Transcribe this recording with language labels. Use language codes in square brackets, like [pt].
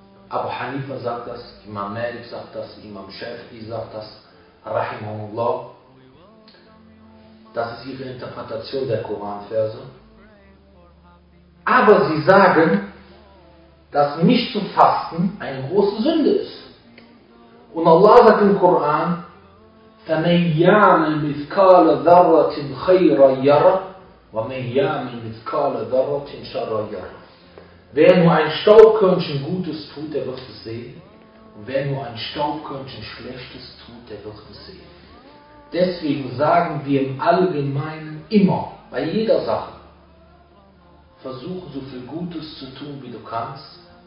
[de] Abu Hanifa sagt das, Imam Malik sagt das, Imam Shafi'i sagt das, Rahimahullah. Das ist ihre Interpretation der Koranverse. Aber sie sagen, dass nicht zu fasten eine große Sünde ist. Und Allah sagt im Koran, [ar] فَمَنْ يَعْمَلْ مِثْقَالَ ذَرَّةٍ خَيْرًا يَرَهُ وَمَنْ يَعْمَلْ مِثْقَالَ ذَرَّةٍ شَرًّا يَرَهُ. [de] Wer nur ein Staubkörnchen Gutes tut, der wird es sehen. Und wer nur ein Staubkörnchen Schlechtes tut, der wird es sehen. Deswegen sagen wir im Allgemeinen immer, bei jeder Sache, versuche so viel Gutes zu tun, wie du kannst.